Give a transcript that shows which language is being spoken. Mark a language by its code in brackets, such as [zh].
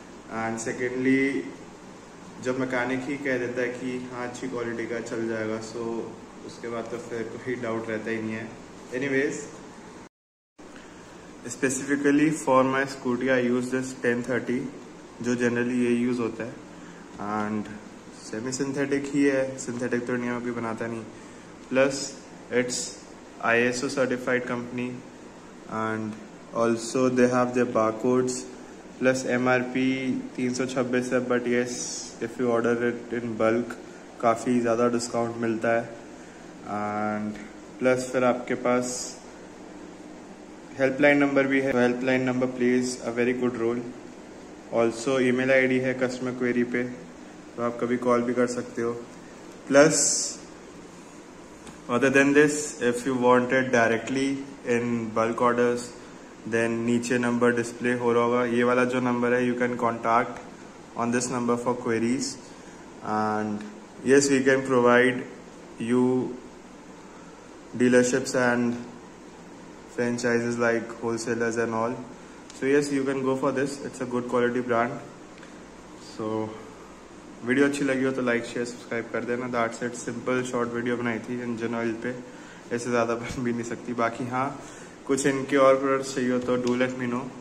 [en] and secondly [hi] जब mechanic ही कह देता है कि हाँ अच्छी क्वालिटी का चल जाएगा, सो उसके बाद तो फिर कोई डाउट रहता ही नहीं है. [en] anyways, specifically for my scooty I use this 1030, [hi] जो जनरली ये यूज होता है. एंड सेमी सिंथेटिक ही है, सिंथेटिक तो इंडिया में कोई बनाता नहीं. [en] Plus it's ISO certified company and also they have their barcodes plus MRP 326 है. but yes, if you order it in bulk [hi] काफ़ी ज़्यादा discount मिलता है. [en] and plus [hi] फिर आपके पास helpline number भी है, [en] so helpline number plays a very good role. [hi] also email ID है customer query पे, तो आप कभी call भी कर सकते हो. [en] plus other than this, if you want it directly in bulk orders, then [hi] नीचे number display हो रहा होगा. ये वाला जो number है, [en] you can contact on this number for queries. And yes, we can provide you dealerships and franchises like wholesalers and all. So yes, you can go for this. It's a good quality brand. [hi] So video अच्छी लगी हो तो like, share, subscribe कर देना. [en] That's it. [hi] Simple short video बनाई थी engine oil पे. ऐसे ज़्यादा बन भी नहीं सकती. बाकी हाँ, कुछ इनके और प्रोडक्ट्स चाहिए हो तो [en] do let me know.